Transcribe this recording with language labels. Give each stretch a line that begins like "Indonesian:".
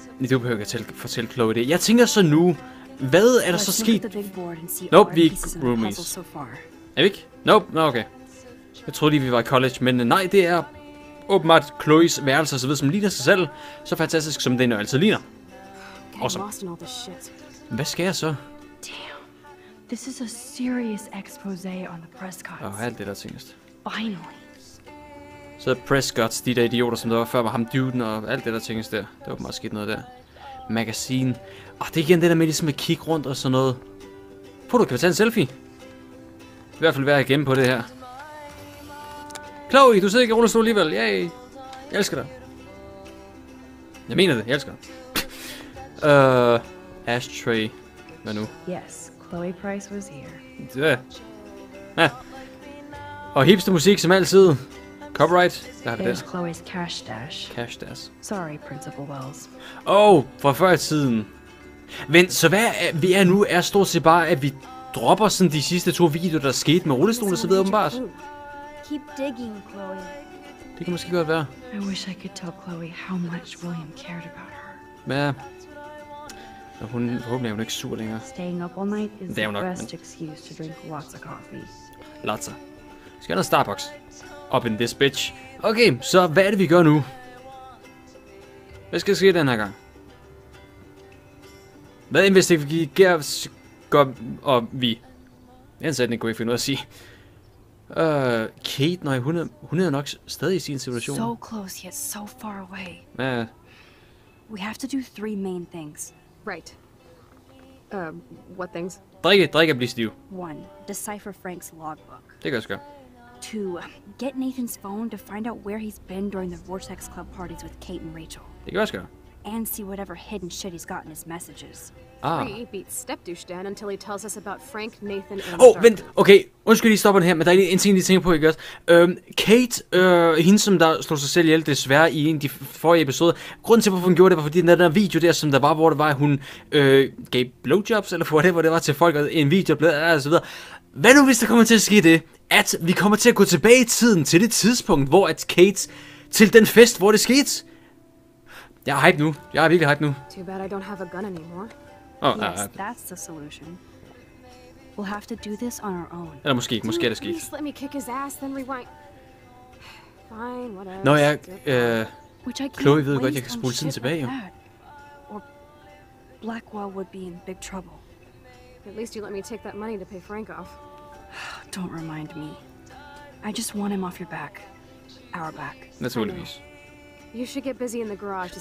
Danish: Du behøver ikke at fortælle Chloe det. Jeg tænker så nu, hvad er der så sket? Nope, vi er ikke roomies. Er vi ikke? Nope, nå okay. Jeg troede lige, vi var i college, men nej, det er åbenbart Chloes værelse, så ved som ligner sig selv, så fantastisk som det, når altid ligner.
English: Awesome.
Danish: Hvad skal jeg så?
English: Damn, this is a serious expose on the Prescott.
Danish: Åh, alt det der tingest.
English: Finally.
Danish: Så Prescott, de der idioter, som der var før, var ham duden og alt det der tingest der. Det var meget skidt noget der. Magasin. Åh, det er igen det der med ligesom at kigge rundt og sådan noget. Prøv, du kan tage en selfie. I hvert fald være igennem på det her. Chloe, du sidder ikke i rullestol alligevel. Yay. Jeg elsker dig. Jeg mener det, jeg elsker dig. Ashtray. Hvad nu?
English: Yes, Chloe Price was here.
Danish: Ja. Ja. Og hipster musik som altid. Copyright. Der har vi
English: det. Chloe's cash stash. Cash stash. Sorry, Principal Wells.
Danish: Fra før i tiden. Vent, så hvad vi er nu er stort set bare, at vi dropper sådan de sidste to videoer, der skete med rullestolen og så videre åbenbart.
English: Keep digging, Chloe.
Danish: Det kan måske godt være.
English: I wish I could tell Chloe how much William cared about her.
Danish: Ja. Og hun, forhåbentlig er hun ikke sur længere.
English: Staying up all night is the best excuse to drink lots of coffee. Lots of.
Danish: Skal der Starbucks?
English: Up in this bitch.
Danish: Okay, så hvad er det, vi gør nu? Hvad skal ske den her gang? Hvad er det, hvis det gør og vi? Det er en sætning, kunne jeg finde ud af at sige. Kate, nej, hun er nok stadig i sin situation.
English: So close, yet so far away.
Danish: Ja.
English: We have to do three main things. Right. What things?
Danish: Drikke og blive stiv.
English: 1. Decipher Frank's logbook.
Danish: Det kan jeg også gøre. 2.
English: Get Nathan's phone to find out where he's been during the Vortex Club parties with Kate and Rachel.
Danish: Det kan jeg også gøre.
English: And see whatever hidden shit he's got in his messages. 3. Beat Stepdouche Dan until he tells us about Frank, Nathan, and
Danish: Vent! Okay, undskyld lige stopper den her, men der er lige en ting, jeg tænker på, ikke også? Kate, hende som der slog sig selv ihjel desværre i en af de forrige episoder. Grunden til, hvorfor hun gjorde det, var fordi den der video der, som der var, hvor det var, at hun gav blowjobs, eller for det, hvor det var til folk, og en video blev og så videre. Hvad nu, hvis der kommer til at ske det, at vi kommer til at gå tilbage i tiden til det tidspunkt, hvor at Kate, til den fest, hvor det skete? Jeg er hype nu. Jeg er virkelig hype nu.
English: Too bad I don't have a gun anymore. Yes, that's the solution. We'll have to do this on our own.
Danish: Eller måske er det skidt.
English: Please let me kick his ass, then rewind. Fine, whatever.
Danish: Nå, jeg, Chloe ved godt, jeg kan spole tiden tilbage, jo.
English: Or Blackwell would be in big trouble. At least you let me take that money to pay Frank off. Don't remind me. I just want him off your back. Our back.
Danish: Naturligvis.
English: You should get busy in the garage.